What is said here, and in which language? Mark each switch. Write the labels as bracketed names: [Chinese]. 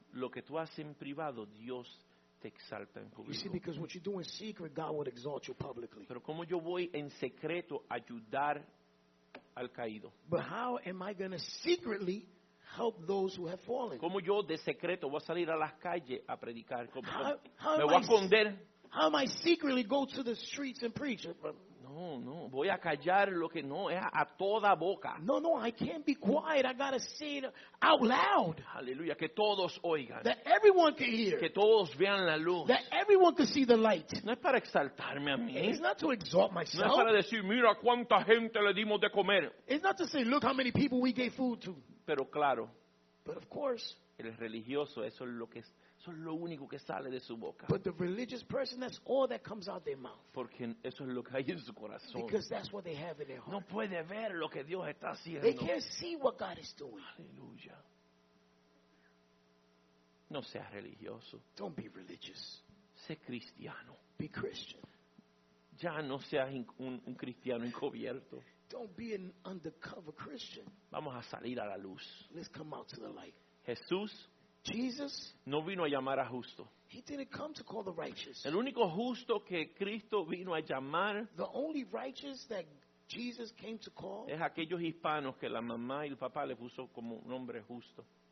[Spanish] Lo que tú haces en privado, Dios te exalta en público. [English] You see, because what you do in secret, God would exalt you publicly. [Spanish] Pero cómo yo voy en secreto a ayudar al caído. [English] But how am I going to secretly help those who have fallen? [Spanish] Cómo yo de secreto voy a salir a las calles a predicar. ¿Cómo me voy a esconder? [English] How am I secretly go to the streets and preach? [Spanish] No, voy a callar lo que no es a toda boca. [English] No, I can't be quiet. I got to say it out loud. [Spanish] Aleluya, que todos oigan. [English] That everyone can hear. [Spanish] Que todos vean la luz. [English] That everyone can see the light. [Spanish] No es para exaltarme a mí. [English] It's not to exalt myself. [Spanish] No es para decir, mira cuánta gente le dimos de comer. [English] It's not to say, look how many people we gave food to. [Spanish] Pero claro. [English] But of course. [Spanish] El religioso, eso es lo que es. Eso es lo único que sale de su boca. [English] But the religious person, that's all that comes out their mouth. [Spanish] Porque eso es lo que hay en su corazón. [English] Because that's what they have in their heart. [Spanish] No puede ver lo que Dios está haciendo. [English] They can't see what God is doing. [Spanish] Aleluya. No seas religioso. [English] Don't be religious. [Spanish] Sé cristiano. [English] Be Christian. [Spanish] Ya no seas un cristiano encubierto. [English] Don't be an undercover Christian. [Spanish] Vamos a salir a la luz. [English] Let's come out to the light. [Spanish] Jesús. [English] Jesus, [Spanish] no vino a llamar a justo. [English] He didn't come to call the righteous. [Spanish] El único justo que Cristo vino a llamar, [English] the only righteous that Jesus came to call, [Spanish] es aquellos hispanos que la mamá y el papá le puso como un nombre justo.